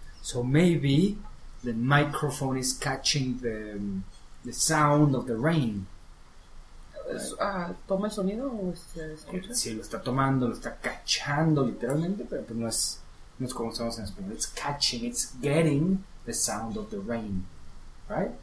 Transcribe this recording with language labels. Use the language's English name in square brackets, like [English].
[English] So maybe the microphone is catching the sound of the rain. [Spanish] ¿Toma el sonido o se escucha? Sí, lo está tomando, lo está cachando literalmente, pero pues no es como estamos en español. [English] It's catching, it's getting the sound of the rain, right?